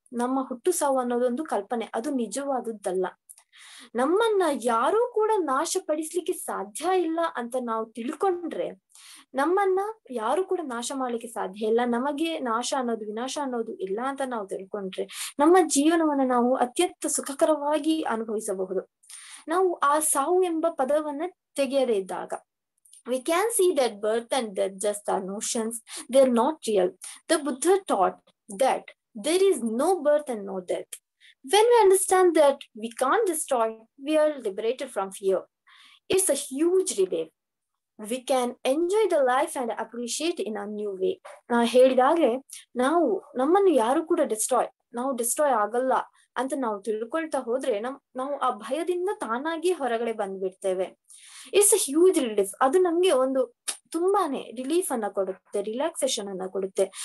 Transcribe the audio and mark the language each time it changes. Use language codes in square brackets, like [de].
[kn] ನಮ್ಮ ಹುಟ್ಟು ಸಾವು ಅನ್ನೋದು ಒಂದು ಕಲ್ಪನೆ, ಅದು ನಿಜವಾದದ್ದಲ್ಲ. ನಮ್ಮನ್ನ ಯಾರೂ ಕೂಡ ನಾಶ ಪಡಿಸ್ಲಿಕ್ಕೆ ಸಾಧ್ಯ ಇಲ್ಲ ಅಂತ ನಾವು ತಿಳ್ಕೊಂಡ್ರೆ ನಮ್ಮನ್ನ ಯಾರು ಕೂಡ ನಾಶ ಮಾಡ್ಲಿಕ್ಕೆ ಸಾಧ್ಯ ಇಲ್ಲ. ನಮಗೆ ನಾಶ ಅನ್ನೋದು ವಿನಾಶ ಅನ್ನೋದು ಇಲ್ಲ ಅಂತ ನಾವು ತಿಳ್ಕೊಂಡ್ರೆ ನಮ್ಮ ಜೀವನವನ್ನ ನಾವು ಅತ್ಯಂತ ಸುಖಕರವಾಗಿ ಅನುಭವಿಸಬಹುದು. ನಾವು ಆ ಸಾವು ಎಂಬ ಪದವನ್ನ ತೆಗೆಯದೇ ಇದ್ದಾಗ [en] we can see that birth and death just are notions, they are not real. The Buddha taught that there is no birth and no death. When we understand that we can't destroy, we are liberated from fear. It's a huge relief. We can enjoy the life and appreciate in a new way. [kn] Na helidage naavu nammannu yaru kuda destroy, naavu destroy agalla ಅಂತ ನಾವು ತಿಳ್ಕೊಳ್ತಾ ಹೋದ್ರೆ ನಾವು ಆ ಭಯದಿಂದ ತಾನಾಗಿ ಹೊರಗಡೆ ಬಂದ್ಬಿಡ್ತೇವೆ. [en] It's a huge relief. [kn] ಅದು ನಮ್ಗೆ ಒಂದು ತುಂಬಾನೇ ರಿಲೀಫ್ ಅನ್ನ ಕೊಡುತ್ತೆ, ರಿಲ್ಯಾಕ್ಸೇಷನ್ ಅನ್ನ ಕೊಡುತ್ತೆ.